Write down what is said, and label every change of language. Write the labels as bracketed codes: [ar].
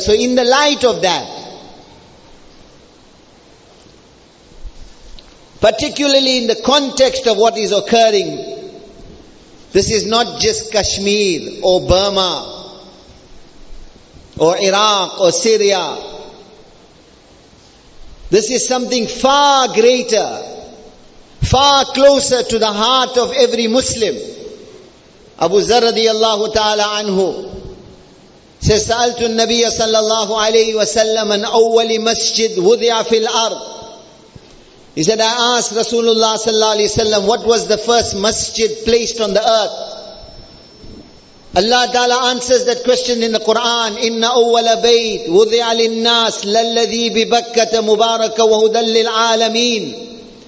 [en] So in the light of that, particularly in the context of what is occurring, this is not just Kashmir or Burma or Iraq or Syria. This is something far greater, far closer to the heart of every Muslim. [ar] Abu Zar radiallahu ta'ala anhu says, سألت النبي صلى الله عليه وسلم عن أول مسجد وضع في الأرض. [en] He said, I asked Rasulullah sallallahu alayhi wa sallam, what was the first masjid placed on the earth? Allah Ta'ala answers that question in the Quran, [ar] إِنَّ أَوَّلَ بَيْتْ وُضِعَ لِلنَّاسِ لَلَّذِي بِبَكَّةَ مُبَارَكَ وَهُدًى لِلْعَالَمِينَ.